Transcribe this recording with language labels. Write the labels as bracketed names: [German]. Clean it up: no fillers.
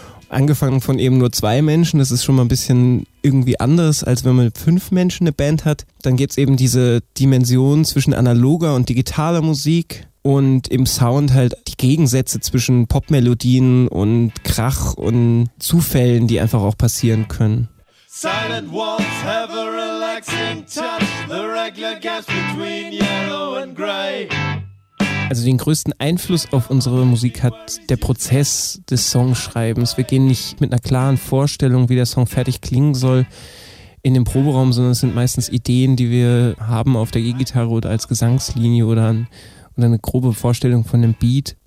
[German] Angefangen von eben nur zwei Menschen, das ist schon mal ein bisschen irgendwie anders, als wenn man fünf Menschen eine Band hat. Dann gibt es eben diese Dimension zwischen analoger und digitaler Musik und im Sound halt die Gegensätze zwischen Popmelodien und Krach und Zufällen, die einfach auch passieren können. [English] Silent walls have a relaxing touch, the regular gaps between yellow and grey. [German] Also den größten Einfluss auf unsere Musik hat der Prozess des Songschreibens. Wir gehen nicht mit einer klaren Vorstellung, wie der Song fertig klingen soll, in den Proberaum, sondern es sind meistens Ideen, die wir haben auf der E-Gitarre oder als Gesangslinie oder eine grobe Vorstellung von dem Beat.